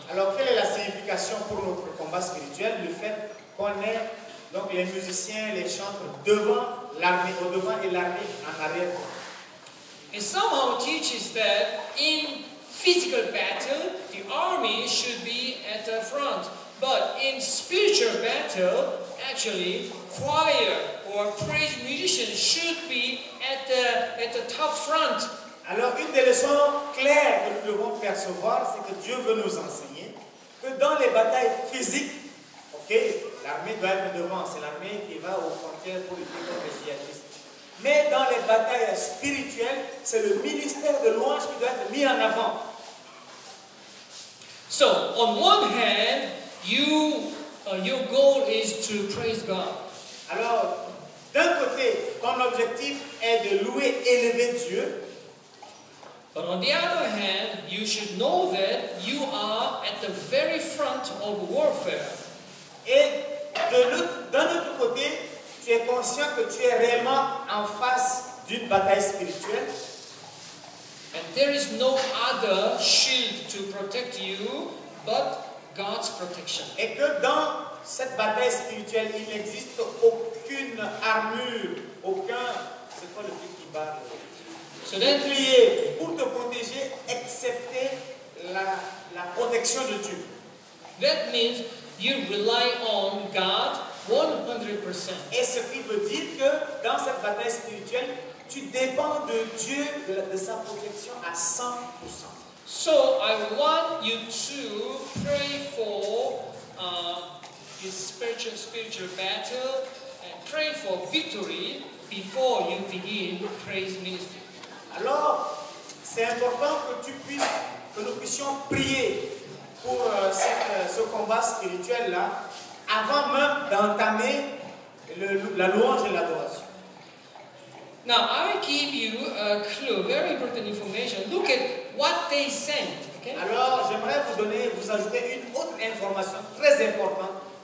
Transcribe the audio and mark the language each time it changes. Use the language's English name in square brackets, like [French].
[French] Alors, quelle est la signification pour notre combat spirituel? Le fait qu'on ait donc les musiciens, les chanteurs devant l'armée, au devant et l'armée en arrière. [English] It somehow teaches that in physical battle, the army should be at the front. But in spiritual battle, actually, choir or praise musicians should be at the top front. [French] Alors, une des leçons claires que nous devons percevoir, c'est que Dieu veut nous enseigner que dans les batailles physiques, ok, l'armée doit être devant, c'est l'armée qui va aux frontières pour lutter contre les djihadistes. Mais dans les batailles spirituelles, c'est le ministère de louange qui doit être mis en avant. [English] So, on one hand, your goal is to praise God. [French] Alors, d'un côté, ton objectif est de louer, élever Dieu. [English] But on the other hand, you should know that you are at the very front of warfare. [French] Et d'un autre côté, tu es conscient que tu es réellement en face d'une bataille spirituelle. [English] And there is no other shield to protect you but God's protection. [French] Et que dans cette bataille spirituelle, il n'existe aucune armure, aucun... C'est quoi le truc qui bat? [English] So then, [French] prier pour te protéger, accepter la protection de Dieu. [English] That means you rely on God 100%. [French] Et ce qui veut dire que dans cette bataille spirituelle, tu dépends de Dieu, de sa protection à 100%. [English] So I want you to pray for this spiritual battle and pray for victory before you begin praise ministry. [French] Alors, c'est important que nous puissions prier pour ce combat spirituel-là avant même d'entamer la louange et l'adoration. [English] Now, I will give you a clue, very important information. Look at what they sent. Okay? [French] Alors, j'aimerais vous ajouter une autre information très importante.